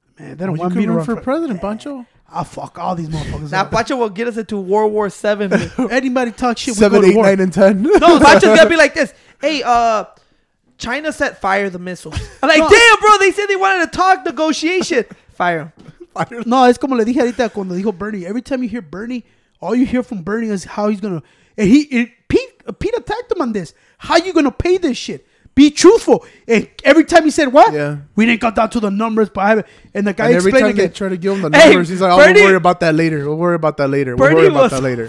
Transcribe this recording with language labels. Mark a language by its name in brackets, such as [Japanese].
[English] Man, they don't want me to run for president, Pancho. I'll fuck all these motherfuckers up. Now, Pancho will get us into World War VII. Anybody talk shit, seven, we go 8, to war. 7, 8, 9, and 10. No, Pancho's going to be like this. Hey, China set fire the missiles. I'm like, no. Damn, bro, they said they wanted to talk negotiation. Fire. [Spanish] No, es como le dije ahorita cuando dijo Bernie. [English] Every time you hear Bernie, all you hear from Bernie is how he's going to... And Pete attacked him on this. How you going to pay this shit? Be truthful. And every time he said what? Yeah. We didn't got down to the numbers. But the guy explained again. Every time they try to give him the numbers, he's like, Bernie, we'll worry about that later.